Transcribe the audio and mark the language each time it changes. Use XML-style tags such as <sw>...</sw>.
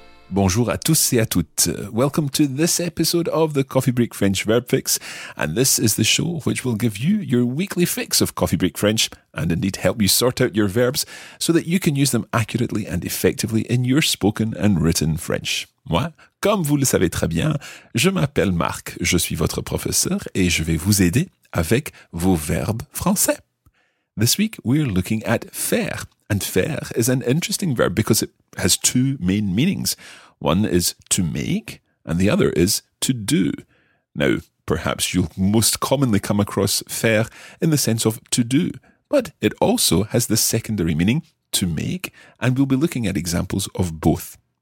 <fr>Bonjour à tous et à toutes.</fr> <en>Welcome to this episode of the Coffee Break French Verb Fix. And this is the show which will give you your weekly fix of Coffee Break French and indeed help you sort out your verbs so that you can use them accurately and effectively in your spoken and written French.</en> <fr>Moi, comme vous le savez très bien, je m'appelle Marc. Je suis votre professeur et je vais vous aider avec vos verbes français.</fr> <en>This week, we're looking at faire. And faire is an interesting verb because it has two main meanings. One is to make, and the other is to do. Now, perhaps you'll most commonly come across faire in the sense of to do, but it also has the secondary meaning, to make, and we'll be looking at examples of both.</en>